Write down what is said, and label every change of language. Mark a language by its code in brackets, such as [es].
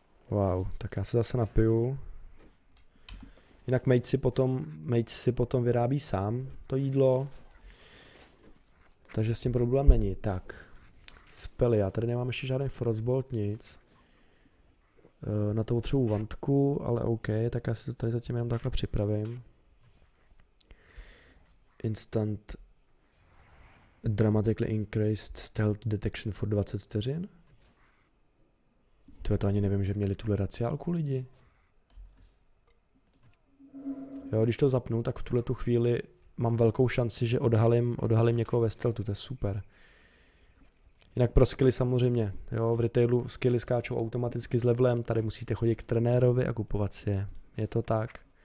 [cs] Wow, tak já se zase napiju. Jinak mage si potom vyrábí sám to jídlo. Takže s tím problém není, tak. Spely, já tady nemám ještě žádný frostbolt, nic. Na to potřebuji vantku, ale OK, tak já si to tady zatím jenom takhle připravím. [en] Instant dramatically increased stealth detection for 20 [cs] vteřin. Tyhle to ani nevím, že měli tuhle raciálku lidi. Jo, když to zapnu, tak v tuhle tu chvíli mám velkou šanci, že odhalím někoho ve stealthu, to je super. Jinak pro skilly samozřejmě, jo, v retailu skilly skáčou automaticky s levelem, tady musíte chodit k trenérovi a kupovat si je, je to tak.